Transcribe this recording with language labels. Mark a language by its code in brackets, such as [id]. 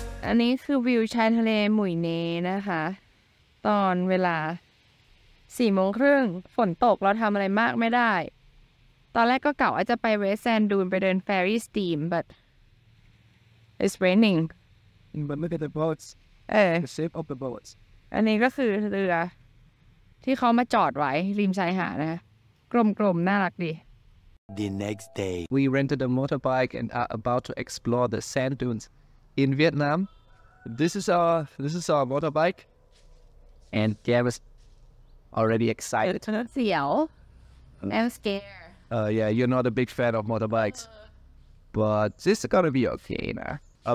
[th] อันนี้คือวิวชายทะเลหมุยเนนะคะตอนเวลา4:30ฝนตกเราทำอะไรมากไม่ได้ตอนแรกก็กะว่าจะไปเวสแซนดูนไปเดินเฟอร์รี่สตีม [en] but it's raining but look at the boats the shape of the boats [th] อันนี้ก็คือเรือที่เขามาจอดไว้ริมชายหาดนะคะกลมๆน่ารักดี [en] the next day we rented a motorbike and are about to explore the sand dunesIn Vietnam, this is our motorbike, and Gavis already excited. I'm scared. Yeah, you're not a big fan of motorbikes, but this is gonna be okay, nah.